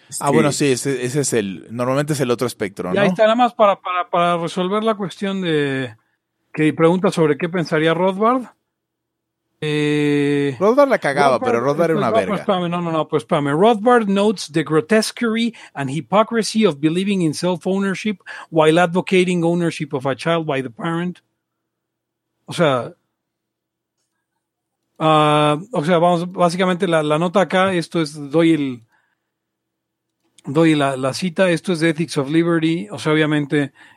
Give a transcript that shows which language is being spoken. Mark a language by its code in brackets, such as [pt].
[es] Bueno, sí, ese es el, normalmente es el otro espectro, ¿no? Y ahí está, nada más para resolver la cuestión de que pregunta sobre qué pensaría Rothbard. Rothbard la cagaba, Rothbard, pero Rothbard era una verga. Espérame. [en] Rothbard notes the grotesquery and hypocrisy of believing in self-ownership while advocating ownership of a child by the parent. [es] O sea, vamos, básicamente la nota acá, esto es, doy la cita, esto es de Ethics of Liberty, o sea, obviamente